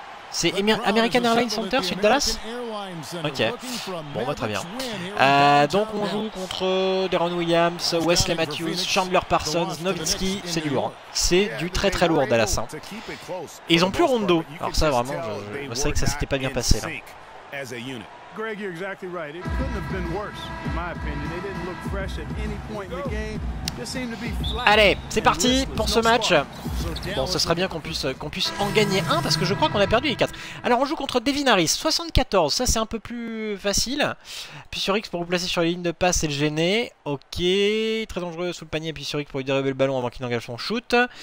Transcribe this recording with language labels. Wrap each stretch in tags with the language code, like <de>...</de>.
<fr>C'est American Airlines Center, sud-Dallas. Ok. Bon, bah, très bien. Donc, on joue contre Deron Williams, Wesley Matthews, Chandler Parsons, Nowitzki. C'est du lourd. C'est du très très lourd, Dallas. Et ils ont plus Rondo. Alors, ça, vraiment, c'est vrai que ça s'était pas bien passé là.</fr> <en>Greg, you're exactly right. It couldn't have been worse, in my opinion. They didn't look fresh at any point in the game. Just seemed to be flat.</en> <fr>Allez, c'est parti pour ce match. Bon, ce serait bien qu'on puisse en gagner un, parce que je crois qu'on a perdu les 4. Alors, on joue contre Devin Harris, 74. Ça, c'est un peu plus facile. Puis sur X pour vous placer sur les lignes de passe et le gêner. Ok, très dangereux sous le panier. Puis sur X pour lui dériver le ballon avant qu'il n'engage son shoot.</fr>